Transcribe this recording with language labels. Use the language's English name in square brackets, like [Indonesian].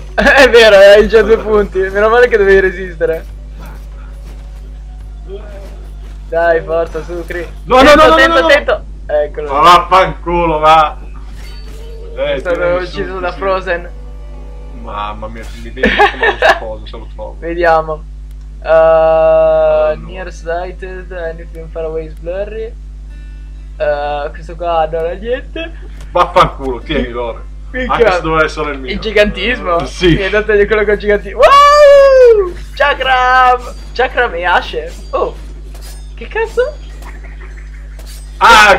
[Italian] È vero, hai già due punti. Meno male che dovevi resistere. Dai, forza, su, Cri. No, attento. Eccolo. Ma vaffanculo, va. Questo l'avevo ucciso da Frozen. Mamma mia, mi vedo come se lo trovo. Vediamo. [English] Nearsighted, anything far away is blurry. [Italian] Questo qua non ha niente. Vaffanculo, tieni l'ore. Anche se doveva essere il mio. Il gigantismo? Sì. Mi hai dato di quello con il gigantismo. Wow! Chakram! Chakram e Ashe. Oh, che cazzo? Ah,